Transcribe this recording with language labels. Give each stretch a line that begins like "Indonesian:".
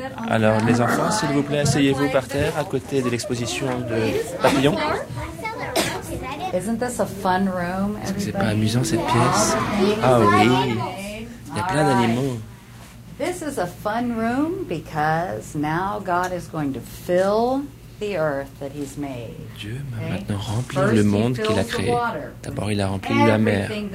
French: Alors, les enfants, s'il vous plaît, asseyez-vous par terre à côté de l'exposition de papillons. Est-ce que c'est pas amusant, cette pièce ? Ah oui, il y a plein d'animaux.
English: This is a fun room because now God is going to fill the earth that he's made.
French: Dieu va maintenant remplir le monde qu'il a créé. D'abord, il a rempli la mer.